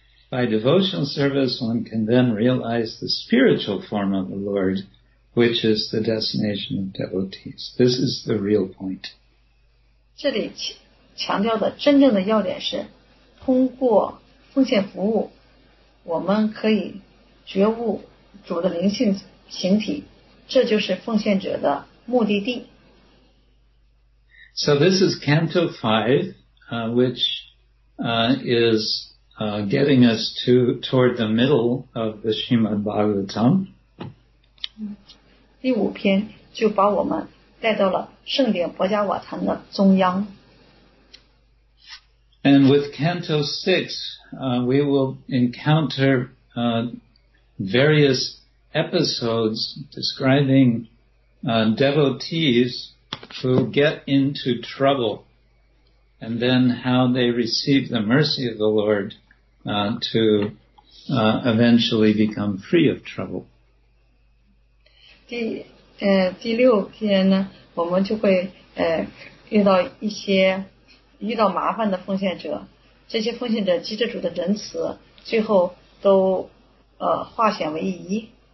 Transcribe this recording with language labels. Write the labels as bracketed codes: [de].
[en] By devotional service, one can then realize the spiritual form of the Lord, which is the destination of devotees. This is the real point. [zh] 这里强调的真正的要点是，通过奉献服务，我们可以觉悟主的灵性形体，这就是奉献者的目的地。 [en] So this is Canto 5, which is getting us toward the middle of the Srimad Bhagavatam. [zh] 第五篇就把我们带到了圣典博伽瓦坛的中央。 [en] And with Canto 6, we will encounter various episodes describing devotees who get into trouble and then how they receive the mercy of the Lord to eventually become free of trouble. [zh] 第六篇呢，我们就会遇到一些遇到麻烦的奉献者，这些奉献者积着主的仁慈，最后都化险为夷。